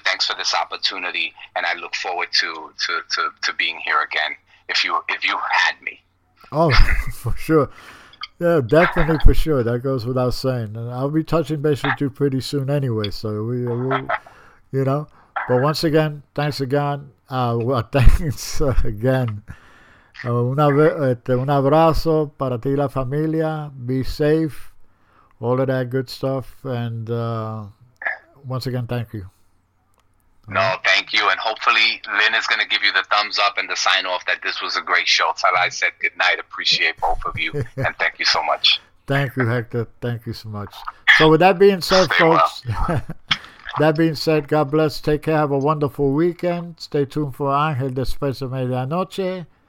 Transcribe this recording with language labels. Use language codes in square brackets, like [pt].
[en] Thanks for this opportunity. And I look forward to being here again if you had me. Oh, for sure. Yeah, definitely for sure. That goes without saying. And I'll be touching base with you pretty soon anyway. So, we'll, you know. But once again, thanks again. Thanks again. [es] Un abrazo para ti y la familia. [en] Be safe. All of that good stuff. And once again, thank you. No, thank you. And hopefully Lynn is going to give you the thumbs up and the sign off that this was a great show. So I said good night. Appreciate both of you. And thank you so much. Thank you, Hector. Thank you so much. So with that being said, that being said, God bless. Take care. Have a wonderful weekend. Stay tuned for Angel Después de Medianoche.